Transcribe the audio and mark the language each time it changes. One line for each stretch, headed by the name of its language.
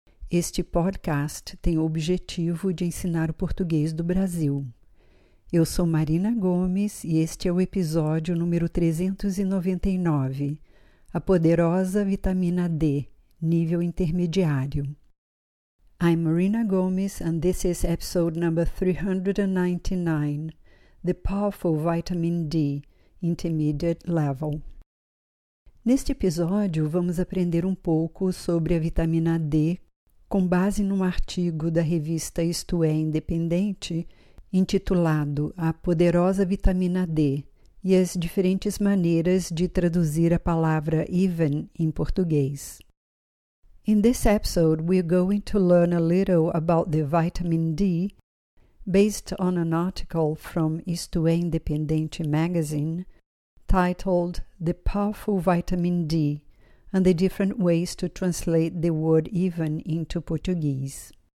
Portuguese: Este podcast tem o objetivo de ensinar o português do Brasil. Eu sou Marina Gomes e este é o episódio número 399, A Poderosa Vitamina D, Nível Intermediário.
English: I'm Marina Gomes and this is episode number 399, The Powerful Vitamin D, Intermediate Level.
Portuguese: Neste episódio, vamos aprender um pouco sobre a vitamina D com base num artigo da revista Isto É Independente, intitulado A Poderosa Vitamina D e as diferentes maneiras de traduzir a palavra even em português.
English: In this episode, we're going to learn a little about the vitamin D based on an article from Isto É Independente magazine titled The Powerful Vitamin D and the different ways to translate the word even into Portuguese.